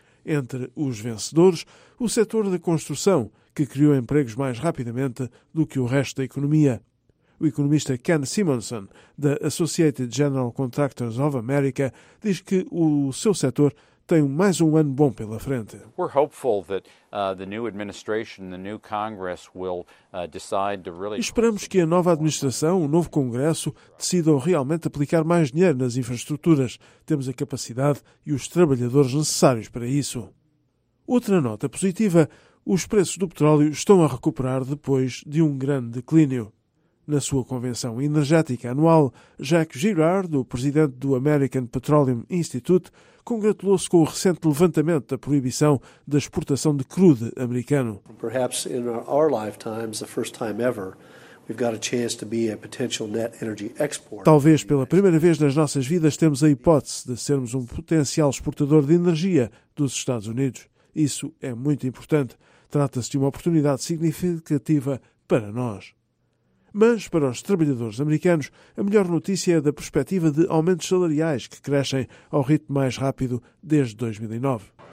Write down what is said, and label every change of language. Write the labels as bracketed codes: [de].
[pt] Entre os vencedores, o setor da construção, que criou empregos mais rapidamente do que o resto da economia. O economista Ken Simonson, da Associated General Contractors of America, diz que o seu setor tem mais um ano bom pela frente. [en] We're hopeful that the new administration, the new Congress will decide to really. [pt] Esperamos que a nova administração, o novo Congresso, decidam realmente aplicar mais dinheiro nas infraestruturas. Temos a capacidade e os trabalhadores necessários para isso. Outra nota positiva: os preços do petróleo estão a recuperar depois de um grande declínio. Na sua convenção energética anual, Jacques Girard, o presidente do American Petroleum Institute, congratulou-se com o recente levantamento da proibição da exportação de crude americano. [en] Perhaps in our lifetimes, the first time ever, we've got a chance to be a potential net energy exporter. [pt] Talvez pela primeira vez nas nossas vidas temos a hipótese de sermos um potencial exportador de energia dos Estados Unidos. Isso é muito importante. Trata-se de uma oportunidade significativa para nós. Mas, para os trabalhadores americanos, a melhor notícia é da perspectiva de aumentos salariais que crescem ao ritmo mais rápido desde 2009.